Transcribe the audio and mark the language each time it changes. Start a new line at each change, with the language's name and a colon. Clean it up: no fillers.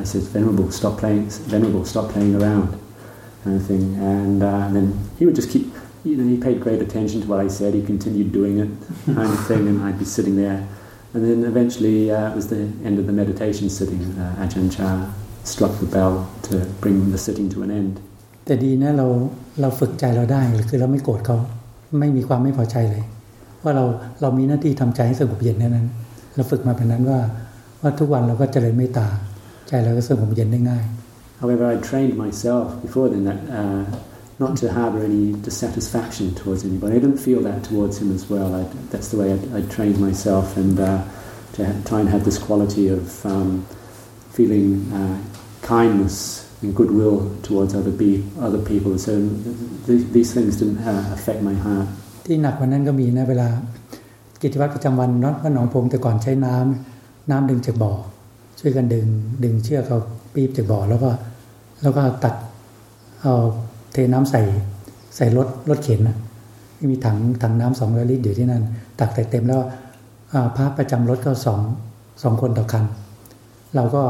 English: I said, Venerable, stop playing around, kind of thing. And then he would just keep, you know, he paid great attention to what I said. He continued doing it, kind of thing, and I'd be sitting there. And then eventually it was the end of the meditation sitting. Ajahn Chah struck the bell to bring the sitting to an end.
Thai: แต่ดีนะเราฝึกใจเราได้คือเราไม่โกรธเขาไม่มีความไม่พอใจเลยว่าเรามีหน้าที่ทำใจให้สงบเย็นนั้นเราฝึกมาแบบนั้นว่าทุกวันเราก็เจริญเมตตา
English: However, I trained myself before then that not to harbor any dissatisfaction towards anybody. I didn't feel that towards him as well. That's the way I trained myself, and to try and have this quality of feeling kindness and goodwill towards other people. So these things didn't affect my heart.
Thai: ที่หนักกว่านั้นก็มีนะเวลากิจวัตรประจำวันน้องหนองพงแต่ก่อนใช้น้ำดึงจากบ่อช่วยกันดึงเชือกเขาปีบจากบ่อแล้วก็ตัดเอาเทน้ำใส่รถเข็นนะมีถังน้ำ200ลิตรอยู่ที่นั่นตักเต็มแล้วพระประจำรถก็2คนต่อคันเรา